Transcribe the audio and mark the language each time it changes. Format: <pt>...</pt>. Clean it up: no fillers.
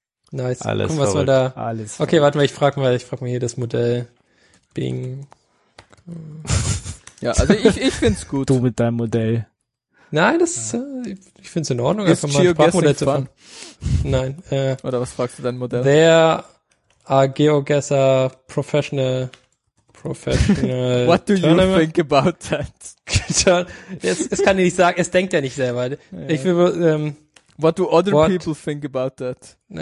<de>Nice. Alles. Guck, was soll da? Alles. Okay, warte mal, ich frag mal hier das Modell. Bing. Ja, also ich find's gut. Du mit deinem Modell. Nein, das ist, ich find's in Ordnung, ist einfach mal ein Sprachmodell zu fahren. Nein, Oder was fragst du dein Modell?</de> <en>There are GeoGuessr professional. What do you think about that?</en> <de>Es kann ich nicht sagen, es denkt ja nicht selber. Ja. Ich will,</de> <en>What do other people think about that?</en>